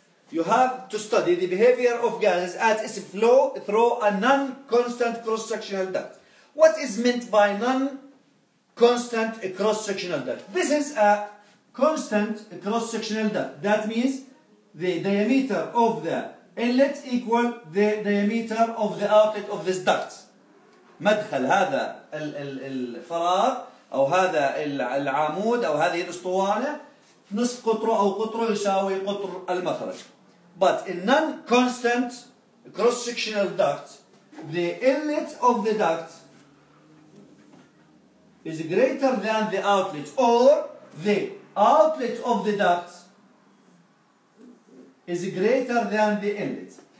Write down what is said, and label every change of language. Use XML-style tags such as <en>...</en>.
<en>You have to study the behavior of gases at its flow through a non-constant cross-sectional duct. What is meant by non-constant cross-sectional duct? This is a constant cross-sectional duct. That means the diameter of the inlet equal the diameter of the outlet of this duct.</en> <ar>مدخل هذا الفراغ أو هذا العمود أو هذه الأسطوانة نصف قطره أو قطره يساوي قطر المخرج.</ar> <en>But in non-constant cross-sectional duct, the inlet of the duct is greater than the outlet, or the outlet of the duct is greater than the inlet.</en>